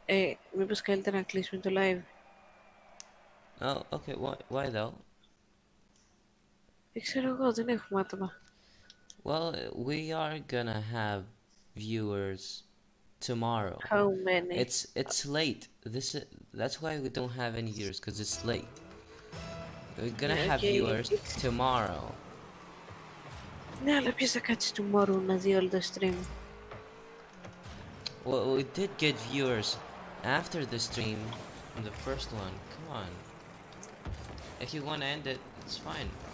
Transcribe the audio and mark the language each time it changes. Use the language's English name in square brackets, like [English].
[Greek] Hey, μήπως καλύτερα να κλείσουμε το live. [English] Oh, okay. Why though? [Greek] Ξέρω εγώ, δεν έχουμε άτομα. [English] Well, we are gonna have viewers tomorrow. How many? It's late. That's why we don't have any viewers, because it's late. We're gonna yeah, have okay. viewers tomorrow. [Greek] Ναι, αλλά ποιος θα κάτσει tomorrow να δει όλο το stream. [English] Well, we did get viewers after the stream, from the first one. Come on. If you want to end it, it's fine.